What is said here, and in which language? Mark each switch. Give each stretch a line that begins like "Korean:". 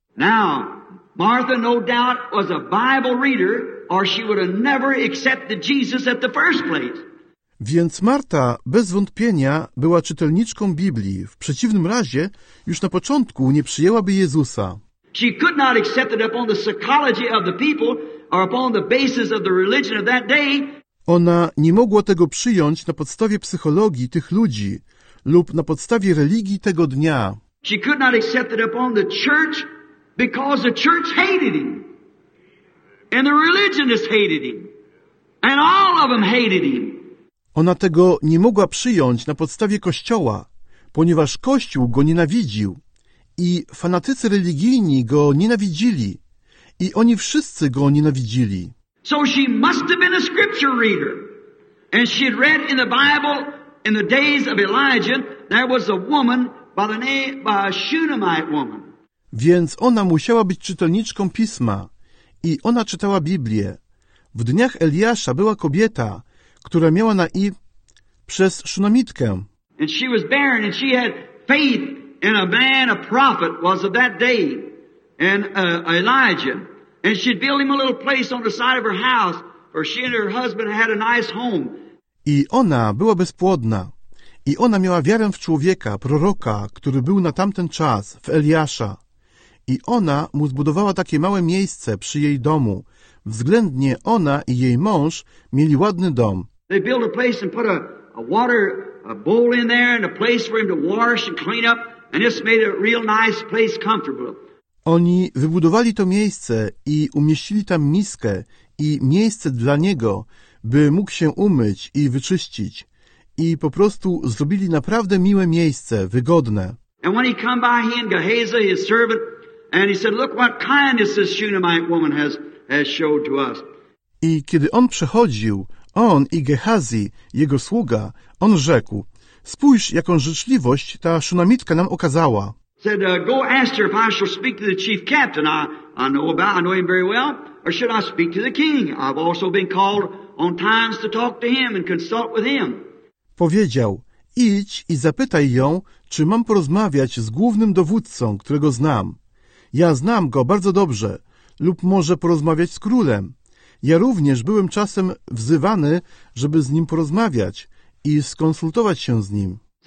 English: Now, Martha no doubt was a Bible reader, or she would have never accepted Jesus at the first place.
Polish: Więc Marta bez wątpienia była czytelniczką Biblii. W przeciwnym razie już na początku nie przyjęłaby Jezusa.
English: She could not accept it upon the psychology of the people or upon the basis of the religion of that day.
Polish: Ona nie mogła tego przyjąć na podstawie psychologii tych ludzi lub na podstawie religii tego dnia.
English: She could not accept it upon the church because the church hated him. And the religionists hated him. And all of them hated him.
Polish: Ona tego nie mogła przyjąć na podstawie Kościoła, ponieważ Kościół go nienawidził i fanatycy religijni go nienawidzili i oni wszyscy go nienawidzili.
English: So she must have been a scripture reader. And she had read in the Bible in the days of Elijah there was a woman by the name of a Shunammite woman.
Polish: Więc ona musiała być czytelniczką Pisma i ona czytała Biblię. W dniach Eliasza była kobieta, która miała na i przez Szunamitkę.
English: And she was barren and she had faith in a man, a prophet was of that day, and Elijah. And she'd build him a little place on the side of her house, for she and her husband had a nice home.
Polish: I ona była bezpłodna. I ona miała wiarę w człowieka, proroka, który był na tamten czas, w Eliasza. I ona mu zbudowała takie małe miejsce przy jej domu. Względnie ona i jej mąż mieli ładny dom.
English: They built a place and put a water bowl in there and a place for him to wash and clean up, and this made a real nice place comfortable.
Polish: Oni wybudowali to miejsce i umieścili tam miskę i miejsce dla niego, by mógł się umyć i wyczyścić. I po prostu zrobili naprawdę miłe miejsce, wygodne.
English: And when he came by, he and Gehazi, his servant, and he said, look what kindness this Shunammite woman has showed to us.
Polish: I kiedy on przechodził, on i Gehazi, jego sługa, on rzekł, spójrz, jaką życzliwość ta Szunamitka nam okazała.
English: Said, go ask her if I shall speak to the chief captain. I know him very well. Or should I speak to the king? I've also been called on times to talk to him and consult with him.
Polish: Powiedział, idź i zapytaj ją, czy mam porozmawiać z głównym dowódcą, którego znam. Ja znam go bardzo dobrze, lub może porozmawiać z królem. Ja również byłem czasem wzywany, żeby z nim porozmawiać i skonsultować się z nim.